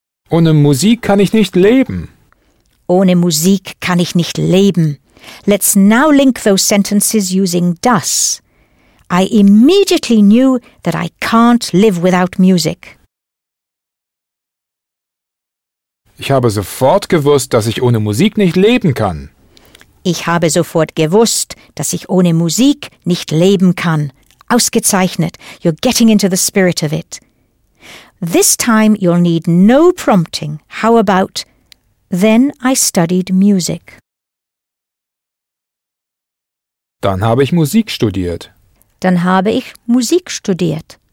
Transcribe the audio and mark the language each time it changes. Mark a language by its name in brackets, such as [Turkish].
[German] Ohne Musik kann ich nicht leben. Ohne Musik kann ich nicht leben. [English] Let's now link those sentences using das. I immediately knew that I can't live without music. [German] Ich habe sofort gewusst, dass ich ohne Musik nicht leben kann. Ich habe sofort gewusst, dass ich ohne Musik nicht leben kann. Ausgezeichnet. [English] You're getting into the spirit of it. This time you'll need no prompting. How about, then I studied music. [German] Dann habe ich Musik studiert. Dann habe ich Musik studiert.